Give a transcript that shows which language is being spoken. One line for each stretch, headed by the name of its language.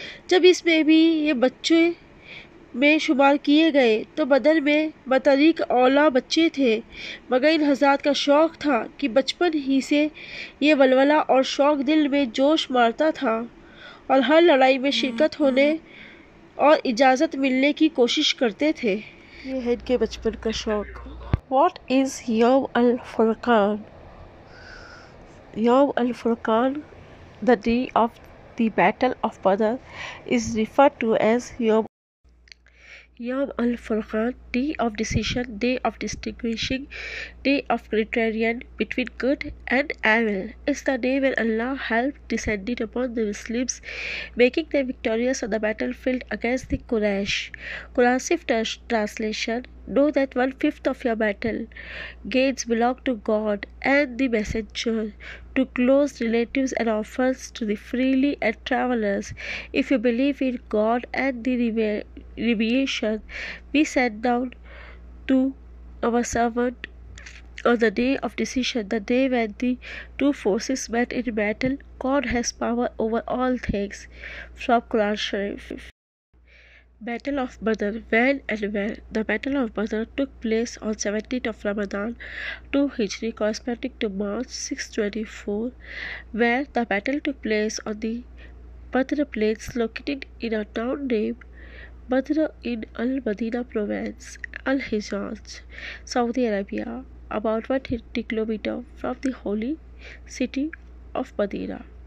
Urdu: جب اس میں بھی یہ بچے میں شمار کیے گئے تو بدر میں بطریق اولا بچے تھے, مگر ان حضرات کا شوق تھا کہ بچپن ہی سے یہ ولولہ اور شوق دل میں جوش مارتا تھا اور ہر لڑائی میں شرکت ہونے اور اجازت ملنے کی کوشش کرتے تھے. یہ ہے ان کے بچپن کا شوق.
English: What is یوم الفرقان؟ یوم الفرقان, the day of the battle of Badr, is referred to as یوم الفرقان, day of decision, day of distinguishing, day of criterion between good and evil. It's the day where اللہ help descended upon the Muslims, making them victorious on the battle field against the Quraish.
Urdu: قرآن صرف
English: Translation. Know that 1/5 of your battle gains belong to God and the messenger, to close relatives and orphans to the freely and travellers. If you believe in God and the revelation, we sent down to our servant on the day of decision, the day when the two forces met in battle. God has power over all things. From قرآن شریف. Battle of Badr. When and where? The Battle of Badr took place on 17th of Ramadan 2 Hijri, corresponding to March 624, where the battle took place on the Badr Plains, located in a town named Badr in Al-Madinah province, Al-Hijaz, Saudi Arabia, about 150 kilometers from the holy city of Madinah.